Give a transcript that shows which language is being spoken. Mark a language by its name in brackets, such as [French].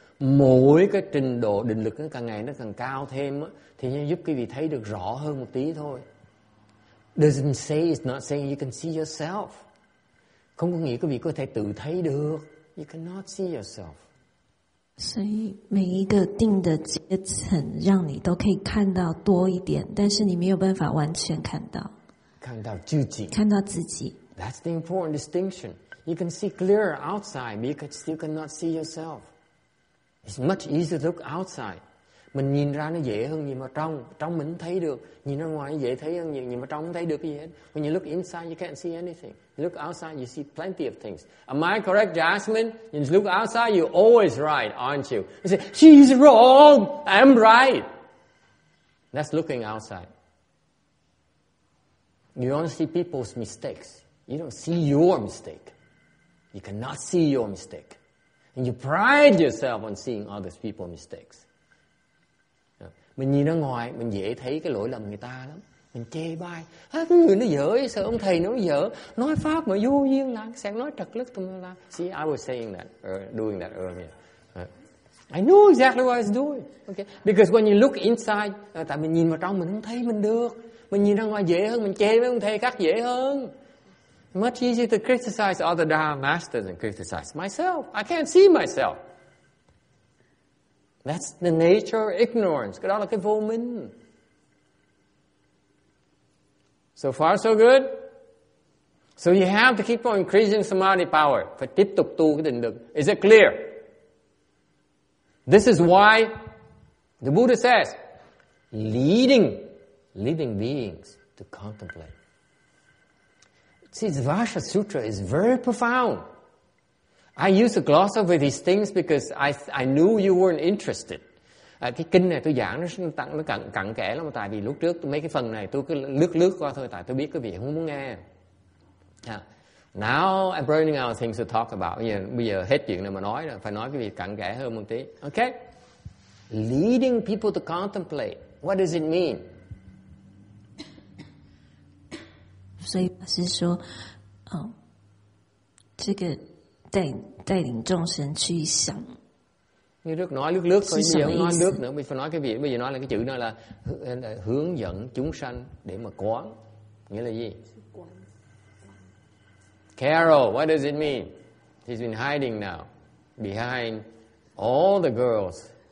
[Chinese] 每个程度定力 [Vietnamese] càng ngày nó càng cao thêm thì nó giúp quý vị thấy được rõ hơn một tí thôi. [English] Doesn't say it's not saying you can see yourself. [Vietnamese] Không có nghĩa quý vị có thể tự thấy được. [English] You cannot see yourself. [Chinese] 所以每一个定的阶层让你都可以看到多一点，但是你没有办法完全看到。看到自己。看到自己。 [English] That's the important distinction. You can see clearer outside, but you still cannot see yourself. It's much easier to look outside. [Vietnamese] Mình nhìn ra nó dễ hơn nhìn vào trong. Trong mình thấy được. Nhìn ra ngoài dễ thấy hơn nhìn vào trong thấy được gì hết. [English] When you look inside, you can't see anything. You look outside, you see plenty of things. Am I correct, Jasmine? You look outside, you're always right, aren't you? You say, she's wrong, I'm right. That's looking outside. You only see people's mistakes. You don't see your mistake. You cannot see your mistake. And you pride yourself on seeing other people's mistakes. [Vietnamese] Mình nhìn ra ngoài, mình dễ thấy cái lỗi lầm người ta lắm. Mình chê bai. Cái người nó dở, sợ ông thầy nó dở. Nói pháp mà vô duyên là, sáng nói trật lức tùm la. [English] See, I was saying that, doing that earlier. I knew exactly what I was doing. Okay. Because when you look inside, [Vietnamese] tại mình nhìn vào trong, mình không thấy mình được. Mình nhìn ra ngoài dễ hơn, mình chê với ông thầy khác dễ hơn. [English] Much easier to criticize other Dharma masters than criticize myself. I can't see myself. That's the nature of ignorance. [Vietnamese] Cái đó là cái vô minh. [English] So far, so good. So you have to keep on increasing samadhi power. [Vietnamese] Phải tiếp tục tu cái định lực. [English] Is it clear? This is why the Buddha says, leading living beings to contemplate. See, the Vajra Sutra is very profound. I used to gloss over these things because I knew you weren't interested. [Vietnamese] Cái kinh này tôi giảng nó cặn kẽ lắm, tại vì lúc trước mấy cái phần này tôi cứ lướt lướt qua thôi, tại tôi biết quý vị không muốn nghe. [English] Now I'm running out of things to talk about. [Vietnamese] Bây giờ hết chuyện này mà nói rồi, phải nói quý vị cặn kẽ hơn một tí. [English] Okay? Leading people to contemplate. What does it mean? [Chinese] 所以是说, 这个 带领众神去想, [Vietnamese] như trước nói lướt lướt thôi, bây giờ không nói lướt nữa, mình phải nói cái việc bây giờ nói là cái chữ đó là hướng dẫn chúng sanh để mà quán, nghĩa là gì? [English] Carol, what does it mean? He's been hiding now behind all the girls.